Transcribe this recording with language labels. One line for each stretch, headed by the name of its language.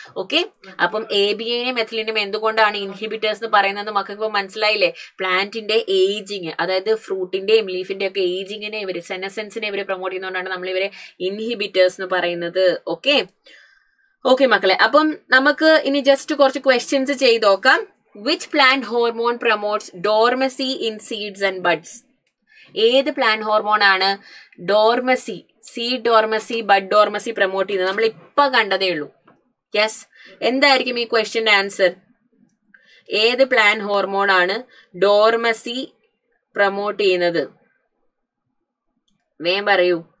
Malayalam: Okay, അപ്പം A B എയിനെയും എഥിലീനെയും എന്തുകൊണ്ടാണ് inhibitors എന്ന് പറയുന്നത് മക്കൾക്ക് ഇപ്പൊ മനസ്സിലായില്ലേ. പ്ലാന്റിന്റെ ഏജിങ്, അതായത് ഫ്രൂട്ടിന്റെയും ലീഫിന്റെ ഒക്കെ ഏജിങ്ങിനെ ഇവർ, സെനസെൻസിനെ ഇവർ പ്രൊമോട്ട് ചെയ്യുന്നതുകൊണ്ടാണ് നമ്മൾ ഇവരെ ഇൻഹിബിറ്റേഴ്സ് എന്ന് പറയുന്നത്. ഓക്കെ ഓക്കെ മക്കളെ, അപ്പം നമുക്ക് ഇനി ജസ്റ്റ് കുറച്ച് ക്വസ്റ്റ്യൻസ് ചെയ്ത് നോക്കാം.
English: Which plant hormone promotes dormancy in seeds and buds?
Malayalam: ഏത് പ്ലാന്റ് ഹോർമോൺ ആണ് ഡോർമസി, സീഡ് ഡോർമസി, ബഡ് ഡോർമസി പ്രൊമോട്ട് ചെയ്യുന്നത്? നമ്മൾ ഇപ്പൊ കണ്ടതേ ഉള്ളൂ. യെസ്, എന്തായിരിക്കും ഈ ക്വസ്റ്റ്യന്റെ ആൻസർ? ഏത് പ്ലാന്റ് ഹോർമോൺ ആണ് ഡോർമസി പ്രൊമോട്ട് ചെയ്യുന്നത്? വേഗം പറയൂ.